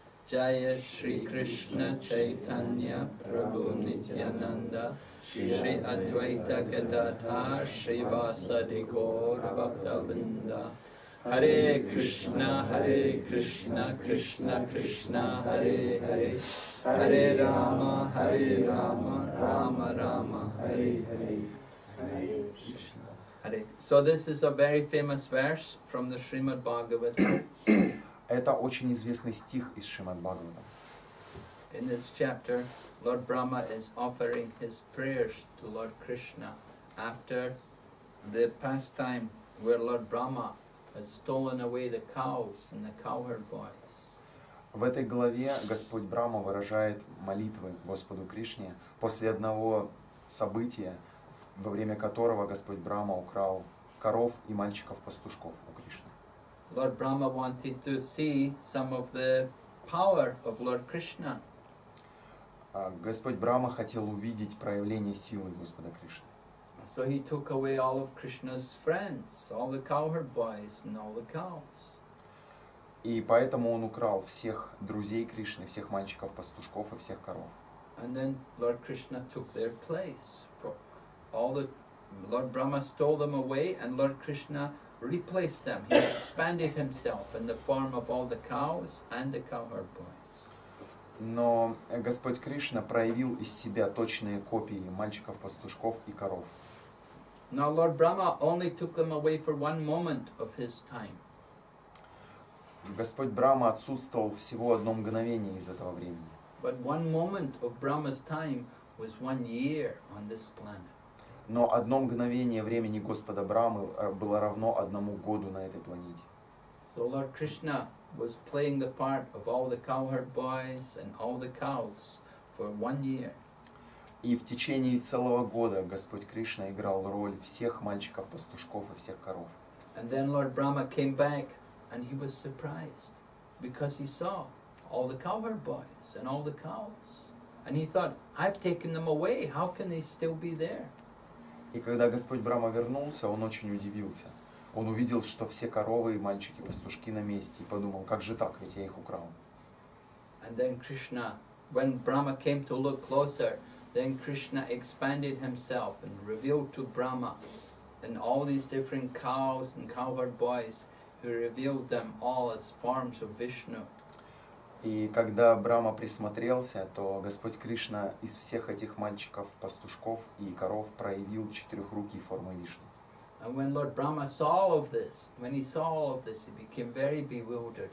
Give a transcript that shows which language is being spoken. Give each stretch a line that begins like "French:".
English: Jaya Shri Krishna Chaitanya Prabhu Nityananda Shri Advaita Gadadhar Shri Vasadi Gaur Bhaktavinda Hare Krishna Hare Krishna Krishna Krishna Hare Hare Hare Rama Hare Rama Rama Rama Hare Hare So this is a very famous verse from the Srimad Bhagavatam.
Russian: Это очень известный стих из Шримад-Бхагаватам.
English: In this chapter, Lord Brahma is offering his prayers to Lord Krishna after the pastime where Lord Brahma has stolen away the cows and the cowherd boys.
Russian: В этой главе Господь Брахма выражает молитвы Господу Кришне после одного события, во время которого Господь Брахма украл коров и мальчиков-пастушков у Кришны.
English: Lord Brahma wanted to see some of the power of Lord Krishna.
Russian: Господь Брахма хотел увидеть проявление силы Господа Кришны.
English: So he took away all of Krishna's friends, all the cowherd boys and all the cows.
Russian: И поэтому он украл всех друзей Кришны, всех мальчиков-пастушков и всех коров.
English: And then Lord Krishna took their place. For all the Lord Brahma stole them away and Lord Krishna replaced them. He expanded himself in the form of all the cows and the cowherd boys.
Russian: Но Господь Кришна проявил из себя точные копии мальчиков, пастушков и коров.
English: Now Lord Brahma only took them away for one moment of his time.
Russian: Господь Брахма отсутствовал всего одно мгновение из этого времени.
English: But one moment of Brahma's time was 1 year on this planet.
Russian: Но одно мгновение времени Господа Брахмы было равно одному году на этой планете.
English: So Lord Krishna was playing the part of all the cowherd boys and all the cows for 1 year.
Russian: И в течение целого года Господь Кришна играл роль всех мальчиков, пастушков и всех коров.
English: And then Lord Brahma came back and he was surprised because he saw all the cowherd boys and all the cows. And he thought, I've taken them away, how can they still be there?
Russian: И когда Господь Брахма вернулся, он очень удивился, он увидел, что все коровы и мальчики-пастушки на месте, и подумал, как же так, ведь я их украл.
English: And then Krishna, when Brahma came to look closer, then Krishna expanded himself and revealed to Brahma and all these different cows and cowherd boys, he revealed them all as forms of Vishnu.
Russian: И когда Брама присмотрелся, то Господь Кришна из всех этих мальчиков, пастушков и коров проявил четырехрукие формы Вишну.
English: And when Lord Brahma saw all of this, when he saw all of this, he became very bewildered.